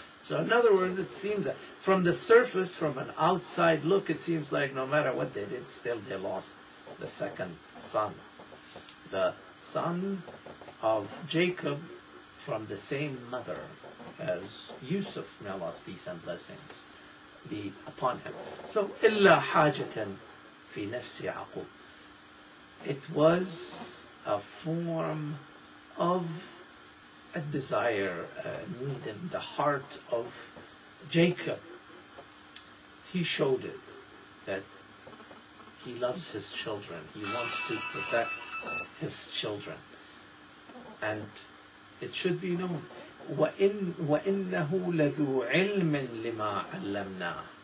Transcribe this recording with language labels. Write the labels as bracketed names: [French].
[English] So in other words, it seems that from the surface, from an outside look, it seems like no matter what they did, still they lost the second son. The son of Jacob from the same mother as Yusuf, may Allah's peace and blessings be upon him. [Arabic] So, إِلَّا حَاجَةً فِي نَفْسِ عَقُوبٍ. [English] It was a form of a desire, a need in the heart of Jacob. He showed it, that he loves his children. He wants to protect his children. And it should be known, [Arabic] وَإِنَّهُ لَذُو عِلْمٍ لِمَا عَلَّمْنَا.